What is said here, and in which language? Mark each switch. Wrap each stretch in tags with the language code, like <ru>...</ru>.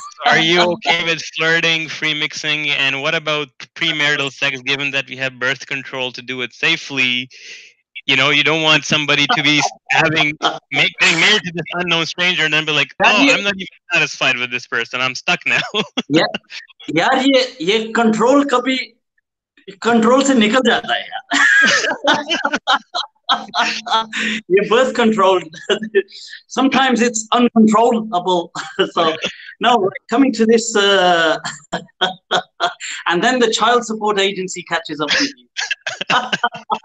<en>Are you okay with flirting, freemixing, and what about premarital sex, given that we have birth control to do it safely? You know, you don't want somebody to be getting married to this unknown stranger and then be like, I'm not even satisfied with this person. I'm stuck now.</en> <ur>Yeah, control کبھی control سے نکل جاتا ہے۔</ur> <en>Your birth control, sometimes it's uncontrollable. So, no, coming to this, and then the child support agency catches up with you.</en>